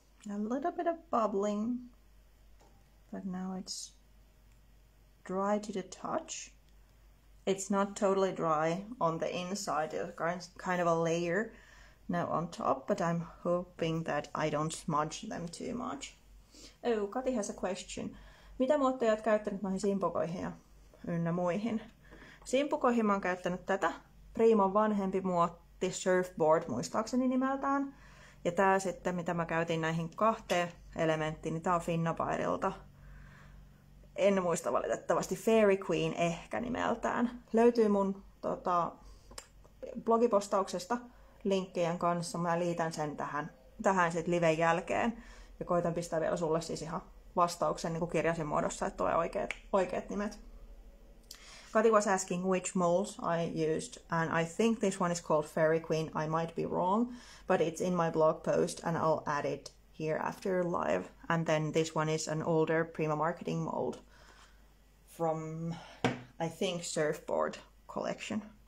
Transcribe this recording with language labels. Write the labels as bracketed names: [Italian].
[English] A little bit of bubbling, but now it's dry to the touch. It's not totally dry on the inside, it's kind of a layer now on top, but I'm hoping that I don't smudge them too much. Oh, Kati has a question. [Finnish] Mitä muotteja olet käyttänyt noihin simpukoihin ja ynnä muihin? Simpukoihin mä oon käyttänyt tätä. Primon vanhempi muotti, surfboard muistaakseni nimeltään. Ja tää sitten, mitä mä käytin näihin kahteen elementtiin, niin tää on Finnabairilta. En muista valitettavasti, Fairy Queen ehkä nimeltään. Löytyy mun blogipostauksesta linkkejen kanssa. Mä liitän sen tähän sit liven jälkeen. Ja koitan pistää vielä sulle siis ihan vastauksen niin kuin kirjasin muodossa, että tulee oikeat nimet. [English] Kati was asking which molds I used, and I think this one is called Fairy Queen. I might be wrong, but it's in my blog post, and I'll add it here after live. And then this one is an older Prima Marketing mold from, I think, Surfboard collection.